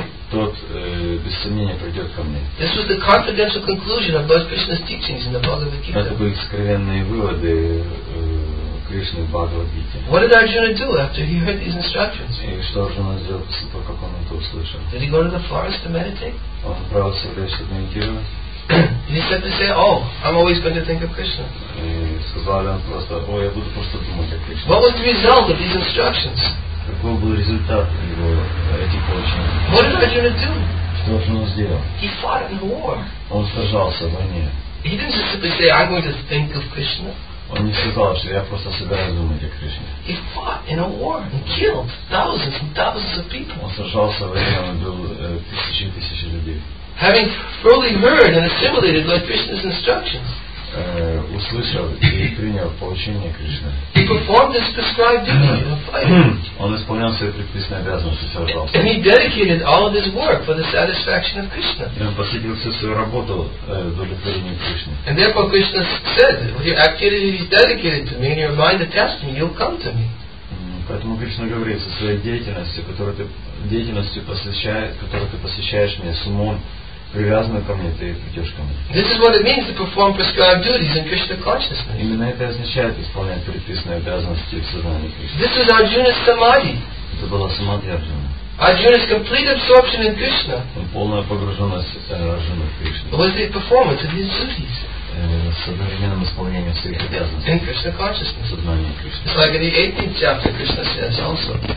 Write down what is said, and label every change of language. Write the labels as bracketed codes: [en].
[ru] тот без сомнения придет ко мне. [en] This was the confidential conclusion of both Krishna's teachings in the Bhagavad Gita. [ru] Это были сокровенные выводы Кришны в Бхагавад Гите. [en] What did Arjuna do after he heard these instructions? [ru] И что Арджуна сделал после того, как он это услышал? [en] Did he go to the forest to meditate? [ru] Он отправился в лес, чтобы медитировать. [en] He said to say, "Oh, I'm always going to think of Krishna." [ru] Сказал он просто, "О, я буду просто думать о Кришне." [en] What was the result of these instructions? [ru] Какой был результат его этих учений? [en] What did Arjuna do? [ru] Что же он сделал? [en] He fought in war. [ru] Он сражался в войне. [en] He didn't just simply say, "I'm going to think of Krishna." [ru] Он не сказал, что я просто собираюсь думать о Кришне. [en] He fought in a war and killed thousands and thousands of people. [ru] Он сражался в войне, он убил тысячи и тысячи людей. [en] Having fully heard and assimilated Lord Krishna's instructions, [ru] услышал и принял поручение Кришны. [en] He performed his prescribed duty of fighting. [ru] Он исполнял свои предписанные обязанности, сражался. [en] And he dedicated all of his work for the satisfaction of Krishna. [ru] И он посвятил всю свою работу удовлетворению Кришны. [en] And therefore Krishna said, "If your activity is dedicated to me and your mind attached to me, you'll come to me." [ru] Поэтому Кришна говорит, со своей деятельностью, которую ты посвящаешь мне, с умом привязанным ко мне, ты придешь ко мне. [en] This is what it means to perform prescribed duties in Krishna consciousness. [ru] Именно это означает исполнять предписанные обязанности в сознании Кришны. [en] This is Arjuna's samadhi. [ru] Это была самадхи Арджуны. [en] Arjuna's complete absorption in Krishna. [ru] Полная погруженность Арджуны в Кришну. [en] Was the performance of his duties. [ru] С одновременным исполнением своих обязанностей. [en] In Krishna consciousness. [ru] Сознание Кришны. [en] It's like in the 18th chapter, Krishna says also.